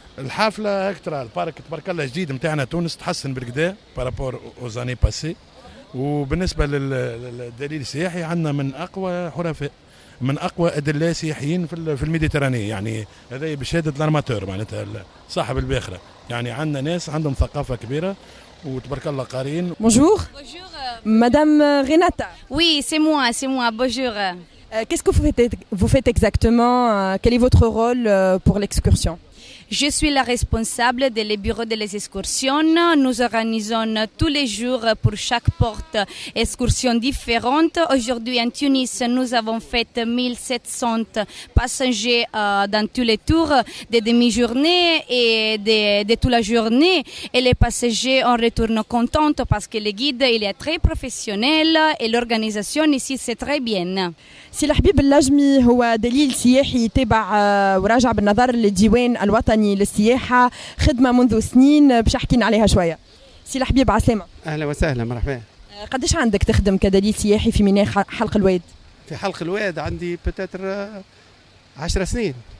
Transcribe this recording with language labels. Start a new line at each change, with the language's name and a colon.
Arabic: الحافلة أكثر، البارك تبارك الله جديد متاعنا تونس تحسن بالكدا
French: بارابور أوزاني باسي،
Arabic: وبالنسبة للدليل السياحي عندنا من أقوى حرفاء، من أقوى أدلة سياحيين في الميديتراني، يعني هذا بشهادة الارماتور معناتها صاحب الباخرة، يعني عندنا ناس عندهم ثقافة كبيرة وتبارك الله قارين.
French: بونجور مدام غيناتا. وي سي موا بونجور. Qu'est-ce que vous faites exactement? Quel est votre rôle pour l'excursion? Je suis la responsable des bureaux des excursions. Nous organisons tous les jours pour chaque porte excursions différentes. Aujourd'hui en Tunis, nous avons fait 1700 passagers dans tous les tours des demi-journées et de toute la journée. Et les passagers en retournent contents parce que le guide il est très professionnel et l'organisation ici c'est très bien.
Arabic: سي الحبيب اللجمي هو دليل سياحي تابع وراجع بالنظر للديوان الوطني للسياحة خدمة منذ سنين باش احكي عليها شوية. سي الحبيب عسلامة. أهلا وسهلا مرحبا. قداش عندك تخدم كدليل سياحي في ميناء حلق الواد؟ في حلق الواد عندي بتاتر 10 سنين.